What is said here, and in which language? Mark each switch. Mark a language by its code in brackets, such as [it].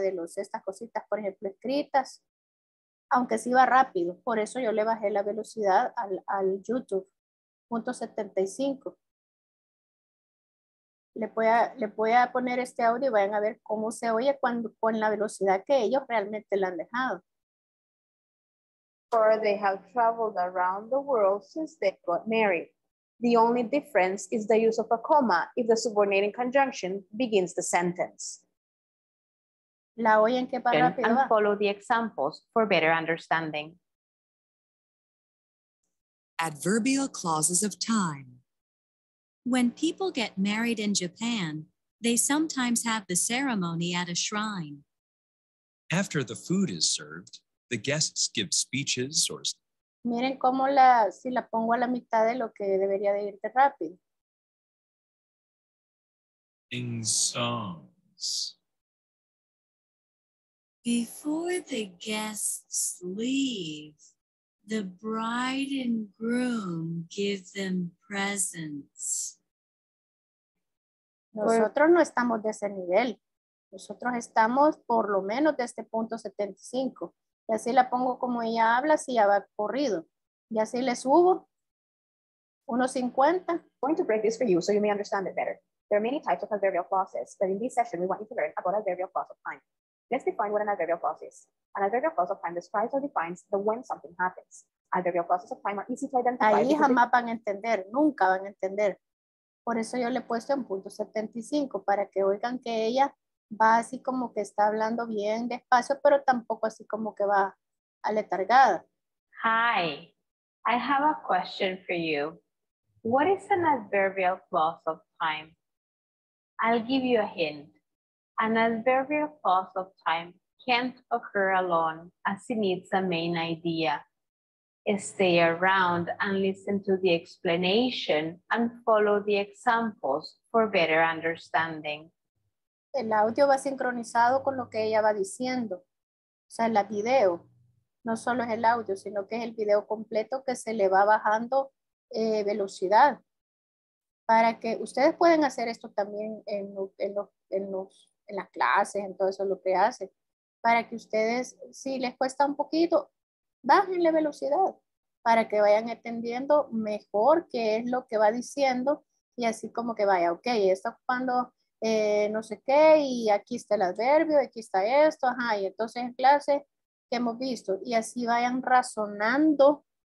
[es] De estas cositas, por ejemplo, escritas, aunque sí va rápido. Por eso yo le bajé la velocidad al YouTube, 0.75. Le voy a poner este audio y vayan a ver cómo se oye con la velocidad que ellos realmente la han dejado. [en] For they have traveled around the world since they got married. The only difference is the use of a comma if the subordinating conjunction begins the sentence. [es] La oyen que para rápido. [en] And follow the examples for better understanding. Adverbial clauses of time. When people get married in Japan, they sometimes have the ceremony at a shrine. After the food is served, the guests give speeches or. [es] Miren cómo la, si la pongo a la mitad de lo que debería de irte rápido. [en] In songs. Before the guests leave, the bride and groom give them presents. [es] Nosotros no estamos de ese nivel. Nosotros estamos por lo menos de este 0.75. Y así la pongo como ella habla, si ya va corrido. Y así le subo. 1.50. [en] I'm going to break this for you so you may understand it better. There are many types of adverbial clauses, but in this session we want you to learn about adverbial clause of time. Let's define what an adverbial clause is. An adverbial clause of time describes or defines the when something happens. Adverbial clauses of time are easy to identify. [es] Ahí jamás van a entender, nunca van a entender. Por eso yo le he puesto en 0.75, para que oigan que ella va así como que está hablando bien despacio, pero tampoco así como que va aletargada. [en] Hi, I have a question for you. What is an adverbial clause of time? I'll give you a hint. An adverbial clause of time can't occur alone as it needs a main idea. Stay around and listen to the explanation and follow the examples for better understanding. [es] El audio va sincronizado con lo que ella va diciendo. O sea, el video. No solo es el audio, sino que es el video completo que se le va bajando velocidad. Para que ustedes pueden hacer esto también en las clases, en todo eso lo que hace, para que ustedes, si les cuesta un poquito, bajen la velocidad, para que vayan entendiendo mejor qué es lo que va diciendo, y así como que vaya, ok, está ocupando no sé qué, y aquí está el adverbio, aquí está esto, ajá, y entonces en clase, ¿qué hemos visto? Y así vayan razonando